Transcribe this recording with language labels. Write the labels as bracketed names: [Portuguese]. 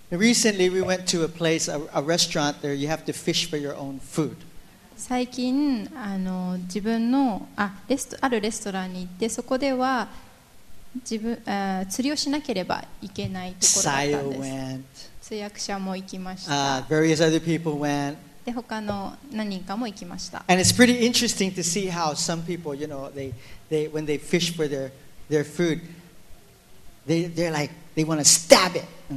[English] Recently, we went to a place, a restaurant there. You have to fish for your own food. [Japanese] 最近自分のあるレストランに行って、そこでは釣りをしなければいけないところだったんです。 [English] Sayo went. [Japanese] 通訳者も行きました。 [English] Various other people went. [Japanese] で、他の何人かも行きました。 [English] And it's pretty interesting to see how some people, you know, they when they fish for their food, they're like they want to stab it.